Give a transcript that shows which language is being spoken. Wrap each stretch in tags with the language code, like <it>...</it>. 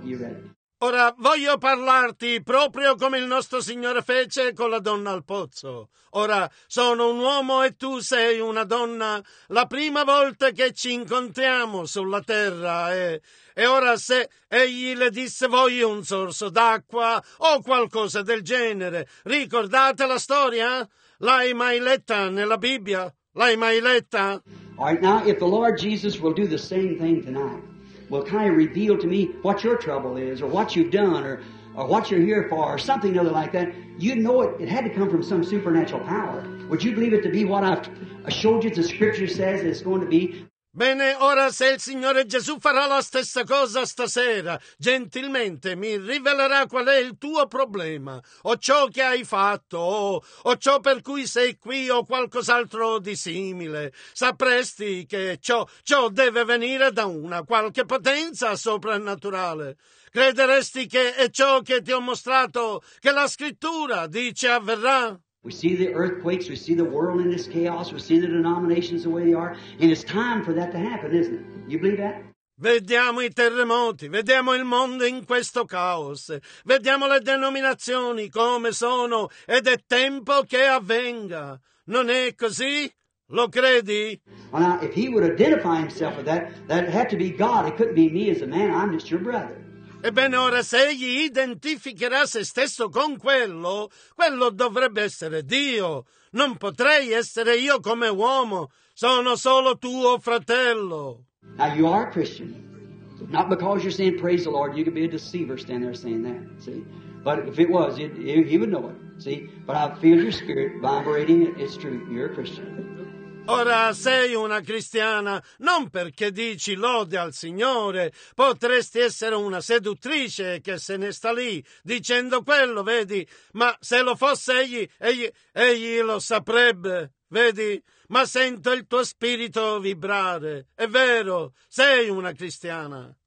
<en>You read it.</en> <it>Ora voglio parlarti proprio come il nostro Signore fece con la donna al pozzo. Ora sono un uomo e tu sei una donna. La prima volta che ci incontriamo sulla terra e ora se egli le disse voglio un sorso d'acqua o qualcosa del genere. Ricordate la storia? L'hai mai letta nella Bibbia? L'hai mai letta?</it> <en>All right, now if the Lord Jesus will do the same thing tonight, will kind of reveal to me what your trouble is or what you've done or what you're here for or something other like that, you'd know it had to come from some supernatural power. Would you believe it to be what I've showed you the scripture says it's going to be?</en> <it>Bene, ora se il Signore Gesù farà la stessa cosa stasera, gentilmente mi rivelerà qual è il tuo problema, o ciò che hai fatto, o ciò per cui sei qui, o qualcos'altro di simile. Sapresti che ciò deve venire da una qualche potenza soprannaturale. Crederesti che è ciò che ti ho mostrato, che la Scrittura dice avverrà?</it> <en>We see the earthquakes, we see the world in this chaos, we see the denominations the way they are, and it's time for that to happen, isn't it? You believe that?</en> <it>Vediamo i terremoti, vediamo il mondo in questo caos, vediamo le denominazioni come sono, ed è tempo che avvenga. Non è così? Lo credi?</it> <en>Well, now, if he would identify himself with that, that had to be God. It couldn't be me as a man. I'm just your brother.</en> <it>Ebbene, ora, se egli identificherà se stesso con quello, quello dovrebbe essere Dio. Non potrei essere io come uomo. Sono solo tuo fratello.</it> <en>Now, you are a Christian. Not because you're saying, praise the Lord, you could be a deceiver standing there saying that, see? But if it was, he would know it, see? But I feel your spirit vibrating, it's true, you're a Christian.</en> <it>Ora sei una cristiana, non perché dici lode al Signore, potresti essere una seduttrice che se ne sta lì dicendo quello, vedi, ma se lo fosse egli lo saprebbe, vedi, ma sento il tuo spirito vibrare, è vero, sei una cristiana.</it>